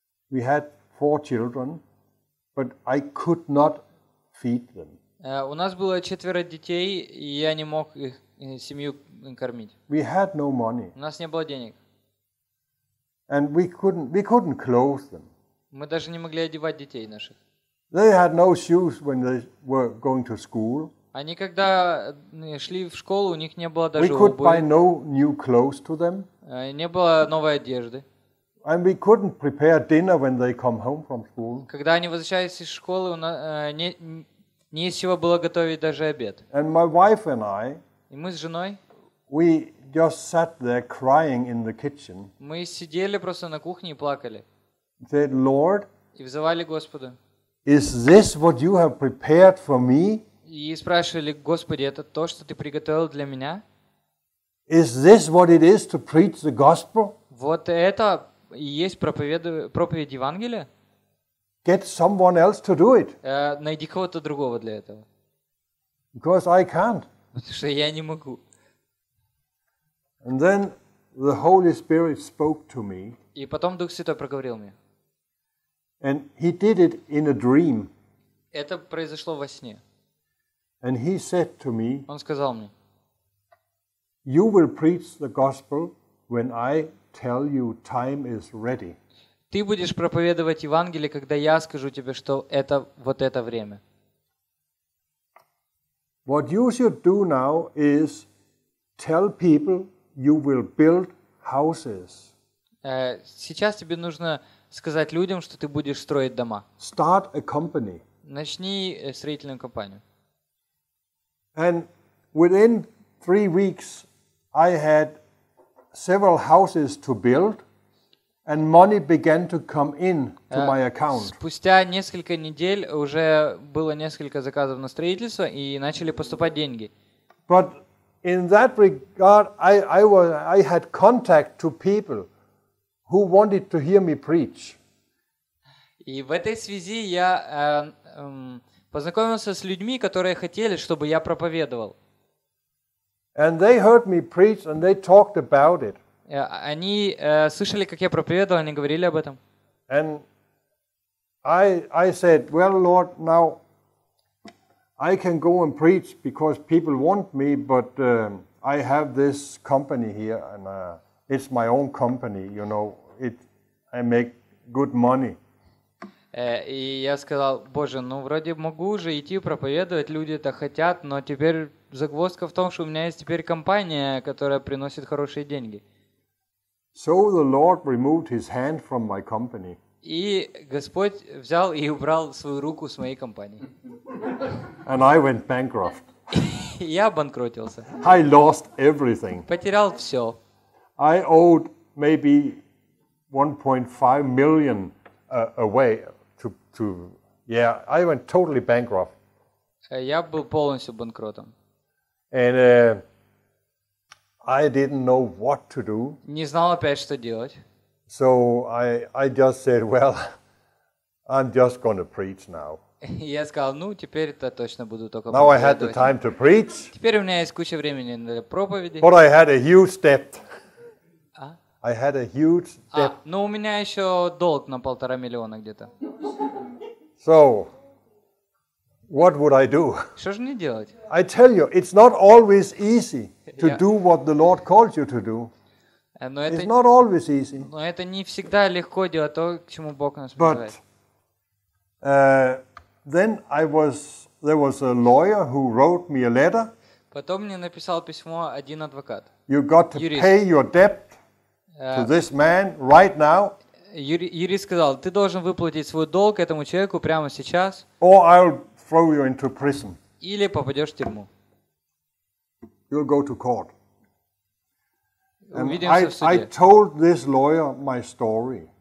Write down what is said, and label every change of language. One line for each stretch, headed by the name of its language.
English: We had four children, but I could not feed them.
Russian: У нас было четверо детей, и я не мог их семью кормить.
English: We had no money.
Russian: У нас не было денег.
English: And we couldn't clothe them.
Russian: Мы даже не могли одевать детей наших.
English: They had no shoes when they were going to school.
Russian: Они когда шли в школу, у них не было даже
English: we
Russian: обуви.
English: We could buy no new clothes to them.
Russian: Не было новой одежды.
English: And we couldn't prepare dinner when they come home from school.
Russian: Когда они возвращались из школы, не из чего было готовить даже обед.
English: And my wife and I.
Russian: И мы с женой.
English: We just sat there crying in the kitchen.
Russian: Мы сидели просто на кухне и плакали.
English: Said, Lord.
Russian: И взывали Господа.
English: Is this what you have prepared for me?
Russian: И спрашивали, Господи, это то, что ты приготовил для меня?
English: Is this what it is to preach the gospel?
Russian: Вот это и есть проповедь Евангелия?
English: Get someone else to do it.
Russian: Найди кого-то другого для этого.
English: Because I can't.
Russian: Потому что я не могу.
English: And then the Holy Spirit spoke to me.
Russian: И потом Дух Святой проговорил мне.
English: And he did it in a dream.
Russian: Это произошло во сне.
English: And he said to me,
Russian: он сказал мне,
English: you will preach the gospel when I tell you time is ready.
Russian: Ты будешь проповедовать Евангелие, когда я скажу тебе, что это вот это время.
English: What you should do now is tell people you will build houses.
Russian: Сейчас тебе нужно сказать людям, что ты будешь строить дома.
English: Start a company.
Russian: Начни строительную компанию.
English: And within 3 weeks, I had several houses to build, and money began to come in to my account.
Russian: Спустя несколько недель уже было несколько заказов на строительство и начали поступать деньги.
English: But in that regard, I had contact to people who wanted to hear me preach.
Russian: И в этой связи я познакомился с людьми, которые хотели, чтобы я проповедовал.
English: And they heard me preach and they talked about it.
Russian: Они слышали, как я проповедовал, они говорили об этом.
English: And I said, well, Lord, now I can go and preach because people want me, but I have this company here and it's my own company, you know, I make good money.
Russian: И я сказал, Боже, ну вроде могу уже идти проповедовать, люди это хотят, но теперь загвоздка в том, что у меня есть теперь компания, которая приносит хорошие деньги.
English: So the Lord removed his hand from my company.
Russian: И Господь взял и убрал свою руку с моей компании.
English: And I went bankrupt.
Russian: Я обанкротился.
English: I lost everything.
Russian: Потерял все.
English: I owed maybe 1.5 million away to yeah, I went totally bankrupt.
Russian: Я был полностью банкротом.
English: And I didn't know what to do.
Russian: Не знал опять, что делать.
English: So I just said, well, I'm just going to preach now.
Russian: Я сказал, ну, теперь-то точно буду только
English: Now I had the time to preach.
Russian: Теперь у меня есть куча времени на проповеди.
English: But I had a huge debt. I had a huge debt.
Russian: Но у меня еще долг на 1.5 миллиона где-то.
English: So, what would I do?
Russian: Что же мне делать?
English: I tell you, it's not always easy to do what the Lord calls you to do. It's not always easy.
Russian: Но это не всегда легко делать то, к чему Бог нас призывает.
English: But then there was a lawyer who wrote me a letter.
Russian: Потом мне написал письмо один адвокат.
English: You got to pay your debt to this man right now.
Russian: Юрист сказал, ты должен выплатить свой долг этому человеку прямо сейчас.
English: Or I'll throw you into prison.
Russian: Или попадешь в тюрьму.
English: You'll go to court. And I told this lawyer my story.